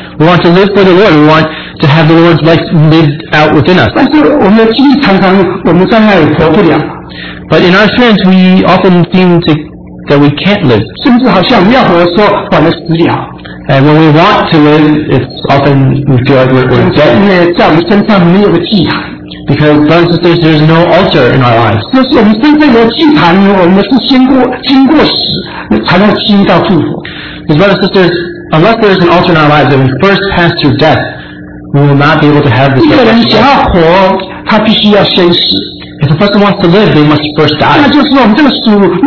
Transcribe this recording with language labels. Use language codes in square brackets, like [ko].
[en] We want to live for the Lord. We want to have the Lord's life lived out within us. [zh] 但是我们的经历常常我们在那里活不了。 [en] But in our experience, we often seem to that we can't live. [zh] 甚至好像要活的时候反而死了。 [en] And when we want to live, it's often we feel like we're dead. [zh] 因为在我们身上没有个祭坛。 [en] Because brothers and sisters, there's no altar in our lives. [zh] 就是我们身上有祭坛，我们是经过死才能经历到祝福。 [en] Because brothers and sisters, unless there's an altar in our lives, and we first pass through death, we will not be able to have this. [zh] 一个人想要活，他必须要先死。 [en] If a person wants to live, they must first die.